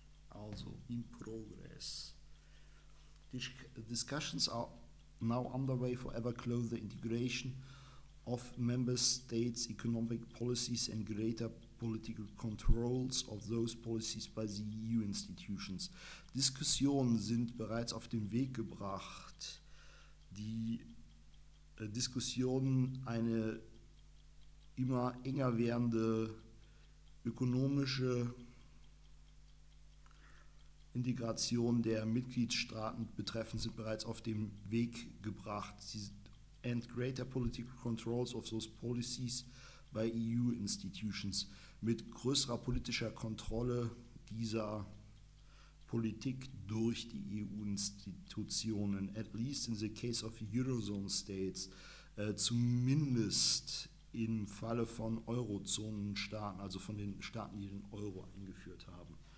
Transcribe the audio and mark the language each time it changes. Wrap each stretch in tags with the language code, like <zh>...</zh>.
<en>Also in progress. Discussions are now underway for ever closer integration of member states' economic policies and greater political controls of those policies by the EU institutions.</en> <de>Diskussionen sind bereits auf den Weg gebracht. Die Diskussionen, eine immer enger werdende ökonomische Integration der Mitgliedstaaten betreffend sind bereits auf den Weg gebracht.</de> <en>And greater political controls of those policies by EU institutions.</en> <de>Mit größerer politischer Kontrolle dieser Politik durch die EU-Institutionen.</de> <en>At least in the case of Eurozone states.</en> <de>Zumindest im Falle von Eurozonenstaaten, also von den Staaten, die den Euro eingeführt haben.</de>